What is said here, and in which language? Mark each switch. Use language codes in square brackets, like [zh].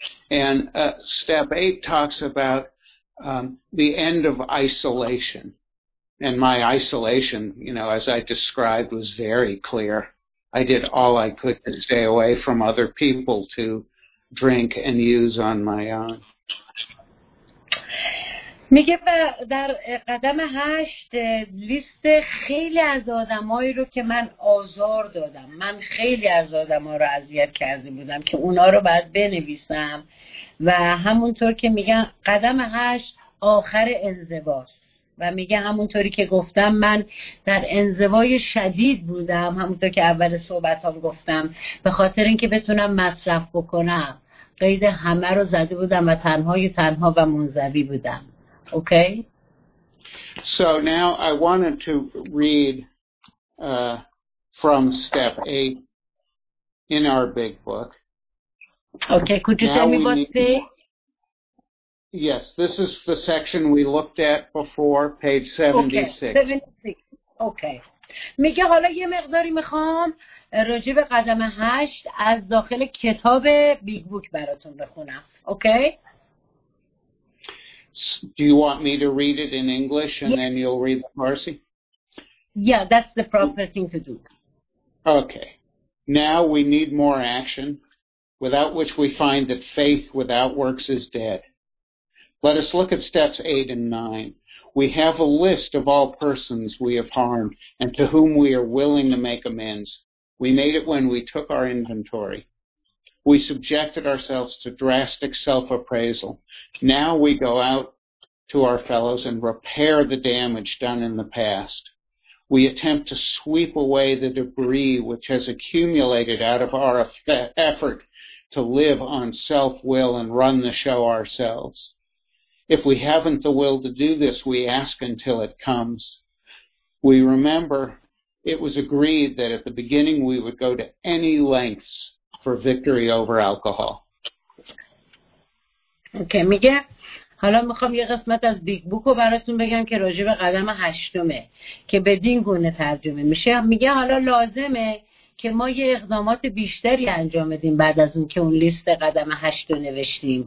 [en] And step 8 talks about the end of isolation, And my isolation, you know, as I described, was very clear. I did all I could to stay away from other people to drink and use on my own. [fa] میگه در قدم هشت لیست خیلی از آدمایی رو که من آزار دادم. من خیلی از آدم ها رو اذیت کرده بودم که اونا رو باید بنویسم. و همونطور که میگن قدم هشت آخر انزواست. و میگه همونطوری که گفتم من در انزوای شدید بودم، همونطور که اول صحبتام گفتم، به خاطر اینکه بتونم مصرف بکنم قید همه رو زده بودم و تنها و منزوی بودم. [en] Okay. So now I wanted to read from step 8 in our big book. Okay, could you tell me what page? Yes, this is the section we looked at before, page 76. Okay. [fa] میگه حالا یه مقداری میخوام راجع به قدم 8 از داخل کتاب بیگ بوک براتون بخونم. [en] Okay? Do you want me to read it in English and then you'll read the Farsi? Yeah, that's the proper thing to do. Okay. Now we need more action, without which we find that faith without works is dead. Let us look at steps 8 and 9. We have a list of all persons we have harmed and to whom we are willing to make amends. We made it when we took our inventory. We subjected ourselves to drastic self-appraisal. Now we go out to our fellows and repair the damage done in the past. We attempt to sweep away the debris which has accumulated out of our effort to live on self-will and run the show ourselves. If we haven't the will to do this, we ask until it comes. We remember it was agreed that at the beginning we would go to any lengths for victory over alcohol. [fa] Okay, میگه حالا میخوام یه قسمت از بیگ بوک رو براتون بگم که راجع به قدم هشتمه که بدین گونه ترجمه میشه. میگه حالا لازمه که ما یه اقدامات بیشتری انجام بدیم بعد از اون که اون لیست قدم هشت رو نوشتیم.